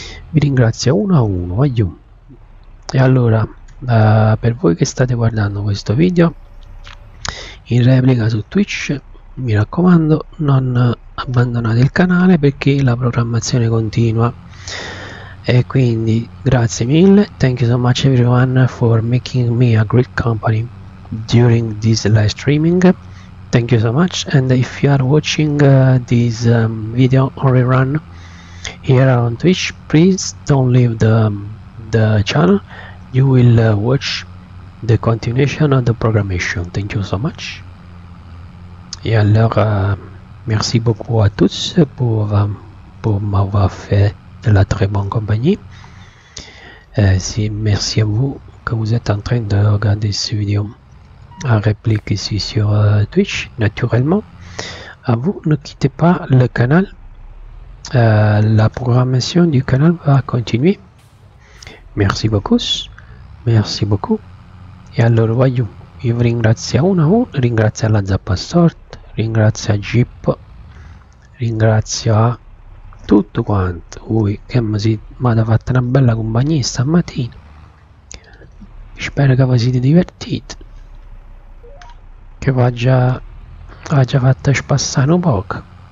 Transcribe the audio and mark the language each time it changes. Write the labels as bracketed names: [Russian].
[Italian] Vi ringrazio uno a uno. E allora, per voi che state guardando questo video in replica su Twitch, mi raccomando, non abbandonate il canale perché la programmazione continua. E quindi grazie mille, [English] thank you so much everyone for making me a great company during this live streaming. Thank you so much. And if you are watching this video rerun here on Twitch, please don't leave the channel. You will watch the continuation of the programmation. Thank you so much. [French] Et alors, merci beaucoup à tous pour m'avoir fait de la très bonne compagnie. Si, merci à vous que vous êtes en train de regarder cette vidéo en réplique ici sur Twitch. Naturellement, à vous, ne quittez pas le canal. La programmation du canal va continuer. Merci beaucoup. Merci beaucoup. Et alors, voyons, je vous remercie un à un. [Italian] Ringrazio la Zappa Sort. Ringrazio Jeep. Ringrazio a tutto quanto, ui, che mi ha fatto una bella compagnia stamattina. Spero che vi siete divertiti. Che ha già fatto spassare un poco.